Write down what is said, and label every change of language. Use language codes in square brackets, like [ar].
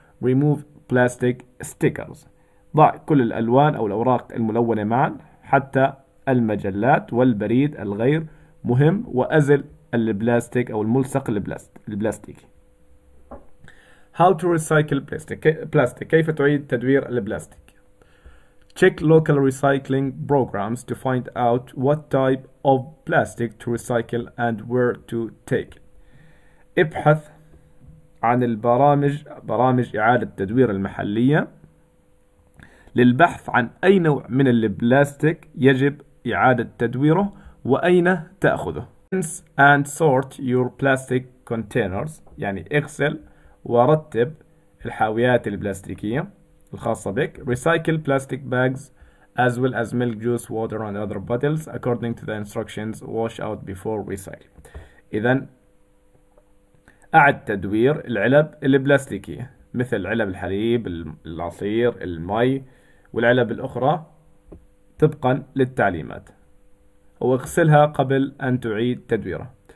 [en] Remove plastic stickers، [ar] ضع كل الألوان أو الأوراق الملونة معا حتى المجلات والبريد الغير مهم، وأزل البلاستيك أو الملصق البلاستيكي. [en] How to recycle plastic، [ar] كيف تعيد تدوير البلاستيك. [en] Check local recycling programs to find out what type of plastic to recycle and where to take. [ar] ابحث عن برامج إعادة التدوير المحلية للبحث عن أي نوع من البلاستيك يجب إعادة تدويره وأين تأخذه. [en] Rinse and sort your plastic containers، [ar] يعني اغسل ورتب الحاويات البلاستيكية الخاصة بك. [en] Recycle plastic bags as well as milk juice, water and other bottles according to the instructions. Wash out before recycle. [ar] إذا أعد تدوير العلب البلاستيكية مثل علب الحليب، العصير، المي والعلب الأخرى طبقا للتعليمات، واغسلها قبل أن تعيد تدويرها.